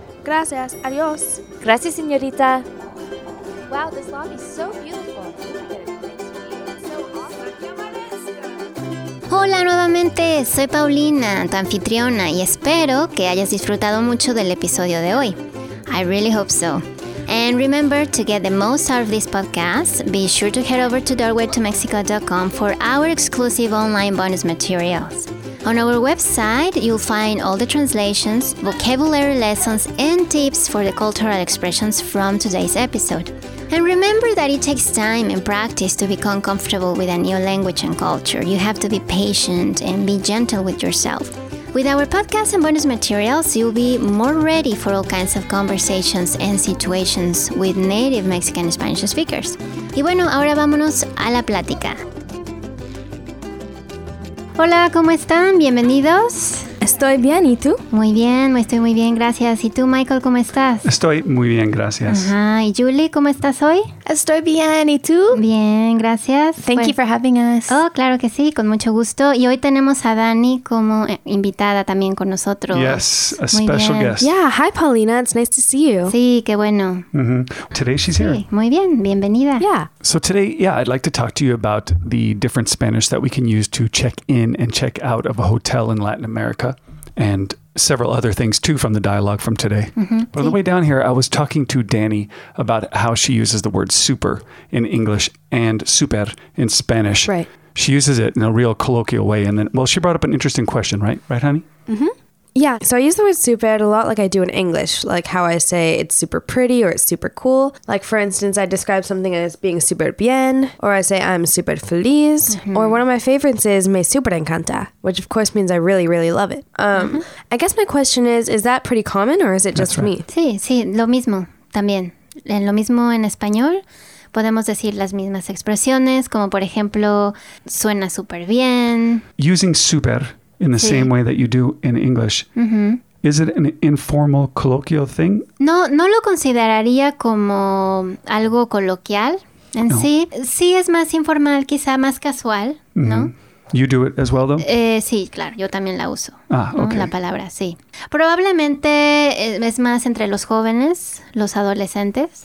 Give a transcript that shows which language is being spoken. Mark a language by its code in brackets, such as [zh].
[es] Gracias. Adiós. Gracias, señorita. [en] Wow, this lobby is so beautiful. [es] Hola nuevamente, soy Paulina, tu anfitriona, y espero que hayas disfrutado mucho del episodio de hoy. [en] I really hope so. And remember, to get the most out of this podcast, be sure to head over to doorwaytomexico.com for our exclusive online bonus materials. On our website, you'll find all the translations, vocabulary lessons, and tips for the cultural expressions from today's episode. And remember that it takes time and practice to become comfortable with a new language and culture. You have to be patient and be gentle with yourself. With our podcast and bonus materials, you'll be more ready for all kinds of conversations and situations with native Mexican Spanish speakers. [es] Y bueno, ahora vámonos a la plática. Hola, ¿cómo están? Bienvenidos. Estoy bien, ¿y tú? Muy bien, estoy muy bien, gracias. ¿Y tú, Michael, cómo estás? Estoy muy bien, gracias. Ajá. ¿Y Julie, cómo estás hoy? Estoy bien, ¿y tú? Bien, gracias. [en] Thank you for having us. [es] Oh, claro que sí, con mucho gusto. Y hoy tenemos a Dani como invitada también con nosotros. [en] Yes, a special guest. Yeah, hi Paulina, it's nice to see you. [es] Sí, qué bueno. [en] Mm-hmm. Today she's here. [es] Sí, muy bien, bienvenida. Yeah. [en] So today, yeah, I'd like to talk to you about the different Spanish that we can use to check in and check out of a hotel in Latin America. And several other things too from the dialogue from today. Mm-hmm. But on the way down here, I was talking to Dani about how she uses the word super in English and super in Spanish. Right. She uses it in a real colloquial way. And then, well, she brought up an interesting question, right? Right, honey? Mm-hmm. Yeah. So I use the word super a lot like I do in English, like how I say it's super pretty or it's super cool. Like, for instance, I describe something as being [es] super bien, [en] or I say I'm [es] super feliz, [en] mm-hmm. or one of my favorites is [es] me super encanta, [en] which of course means I really, really love it. I guess my question is that pretty common or is it just me? [es] Sí, sí, lo mismo también. Lo mismo en español. Podemos decir las mismas expresiones, como por ejemplo, suena súper bien. [en] Using super in the same way that you do in English, is it an informal colloquial thing? [es] No, no lo consideraría como algo coloquial en sí. Sí es más informal, quizá más casual, ¿no? [en] You do it as well, though? [es] Sí, claro, yo también la uso. [en] Ah, okay. [es] La palabra, sí. Probablemente es más entre los jóvenes, los adolescentes.